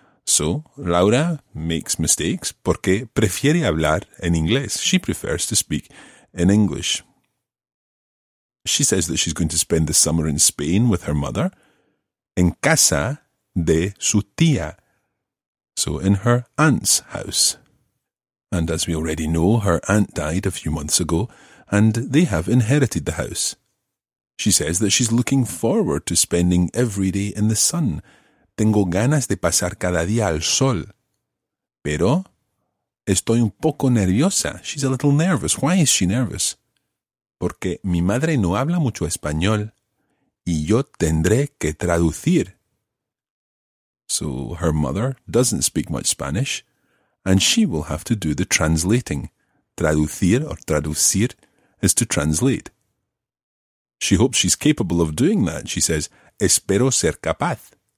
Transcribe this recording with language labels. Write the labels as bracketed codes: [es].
[en] So Laura makes mistakes [es] porque prefiere hablar en inglés. [en] She prefers to speak in English. She says that she's going to spend the summer in Spain with her mother, [es] en casa de su tía. [en] So in her aunt's house. And as we already know, her aunt died a few months ago, and they have inherited the house. She says that she's looking forward to spending every day in the sun. [es] Tengo ganas de pasar cada día al sol. Pero estoy un poco nerviosa. [en] She's a little nervous. Why is she nervous? [es] Porque mi madre no habla mucho español y yo tendré que traducir. [en] So her mother doesn't speak much Spanish and she will have to do the translating. Traducir or traducir is to translate. She hopes she's capable of doing that. She says, [es] espero ser capaz.